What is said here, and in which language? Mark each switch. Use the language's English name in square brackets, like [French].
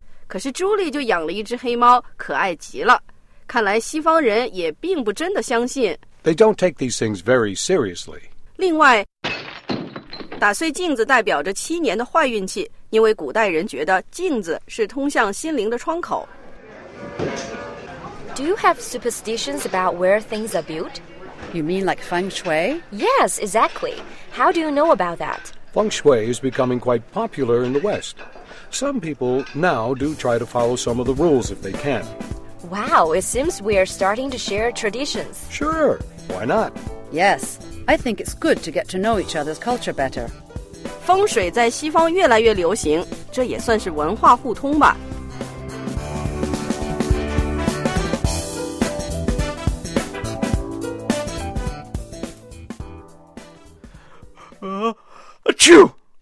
[Chinese] 可是朱莉就养了一只黑猫，可爱极了。看来西方人也并不真的相信。 [English] They don't take these things very seriously. [Chinese] 另外。打碎镜子代表着七年的坏运气，因为古代人觉得镜子是通向心灵的窗口。 [English] Do you have superstitions about where things are built? You mean like feng shui? Yes, exactly. How do you know about that? Feng shui is becoming quite popular in the West. Some people now do try to follow some of the rules if they can. Wow, it seems we are starting to share traditions. Sure, why not? Yes. I think it's good to get to know each other's culture better. [Chinese] 风水在西方越来越流行，这也算是文化互通吧。 Achoo!